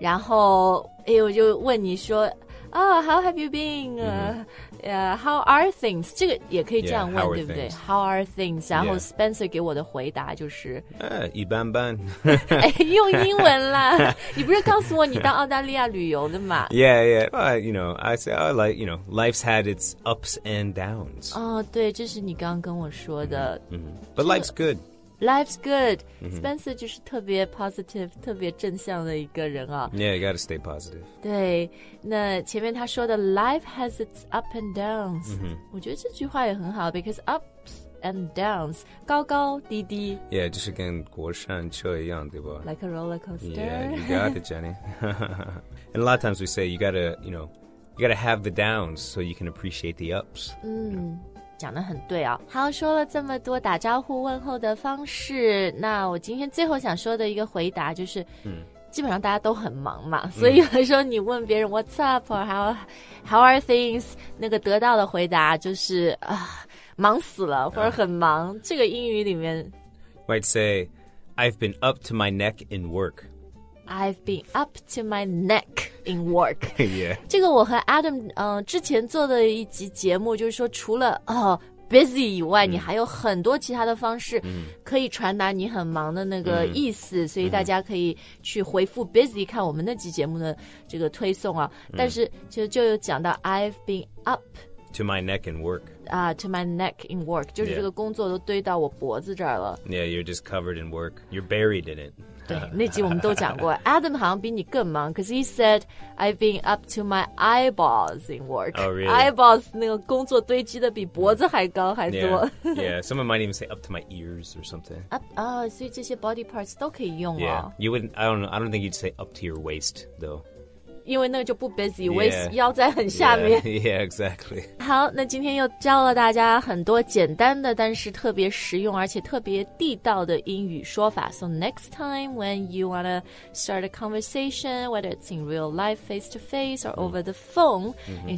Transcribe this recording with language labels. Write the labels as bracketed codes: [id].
[zh] 然后哎，我就问你说。 [en] Oh, how have you been?、 Mm-hmm. How are things? 这个也可以这样问 yeah, [zh] 对不对 [en] things? How are things? 然后 Spencer、 yeah. [zh] 给我的回答就是、一般般用英文啦你不是告诉我你到澳大利亚旅游的吗 [en] Yeah, yeah. But, you know, I say, oh, like, you know, life's had its ups and downs. [zh] 哦、对这是你刚刚跟我说的、 [en] mm-hmm. But life's good. Life's good. [zh] Spencer 就是特别 positive, 特别正向的一个人啊。 [en] Yeah, you gotta stay positive. [zh] 对，那前面他说的 [en] life has its up and downs,、 [zh] mm-hmm. 我觉得这句话也很好 because ups and downs, 高高低低。 Yeah, 就是跟过山车一样，对吧？ [en] Like a roller coaster. Yeah, you got it, Jenny. And a lot of times we say, you gotta have the downs so you can appreciate the ups. Mm.、Yeah. [zh] 讲得很对啊、哦、好说了这么多打招呼问候的方式那我今天最后想说的一个回答就是、嗯、基本上大家都很忙嘛、嗯、所以有的时候你问别人 [en] What's up or how are things [zh] 那个得到的回答就是、忙死了或者很忙、这个英语里面 [en] Might say I've been up to my neck in work I've been up to my neck in work. Yeah. [zh] 这个我和 Adam、之前做的一集节目就是说除了、busy 以外、mm. 你还有很多其他的方式可以传达你很忙的那个意思、mm. 所以大家可以去回复 busy 看我们那集节目的这个推送啊。 [en] Mm. [zh] 但是就有讲到 [en] I've been up to my neck in work.、 to my neck in work. [zh] 就是这个工作都堆到我脖子这儿了。 [en] Yeah, you're just covered in work. You're buried in it. [zh] 对，那集我们都讲过 Adam 好像比你更忙 [en] Because he said I've been up to my eyeballs in work Oh really? [zh] Eyeballs 那个工作堆积的比脖子还高还多 [en] yeah. yeah, someone might even say up to my ears or something [zh] Up, 所以这些 body parts 都可以用哦 [en] Yeah, you wouldn't, I don't know I don't think you'd say up to your waist though [zh] 因为那个就不 busy [en] yeah, [zh] Waist 腰在很下面 [en] yeah, yeah, exactly [zh] 好，那今天又教了大家很多简单的但是特别实用而且特别地道的英语说法 [en] So next time when you wanna start a conversation whether it's in real life face to face or over the phone、 [zh] mm-hmm.